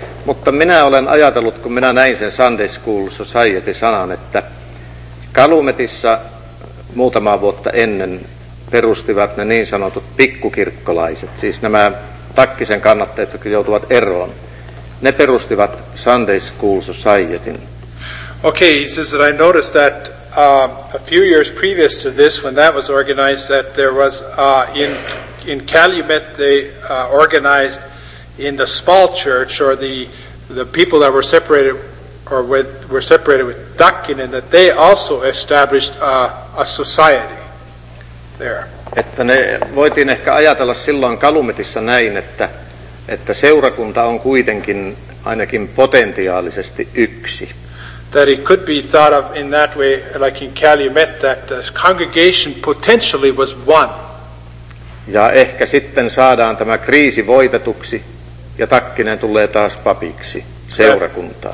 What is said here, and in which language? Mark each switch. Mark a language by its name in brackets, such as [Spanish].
[Finnish] Mutta minä olen ajatellut, kun minä näin sen Sunday School Society-sanan, että Kalumetissa muutama vuotta ennen perustivat ne niin sanotut pikkukirkkolaiset, siis nämä Takkisen kannattajat, jotka joutuvat eroon. Ne perustivat Sunday School Societyn. [English] Okay, he says that I noticed that a few years previous to this, when that was organized, that there was in Calumet they organized in the small church, or the people that were separated or with, were separated with Dakkinen, that they also established a society there. [Finnish] Että ne voitiin ehkä ajatella silloin Kalumetissa näin, että seurakunta on kuitenkin ainakin potentiaalisesti yksi. [English] That it could be thought of in that way, like in Calumet, that the congregation potentially was one. [Finnish] Ja ehkä sitten saadaan tämä kriisi voitetuksi, ja Dakkinen tulee taas papiksi seurakuntaan.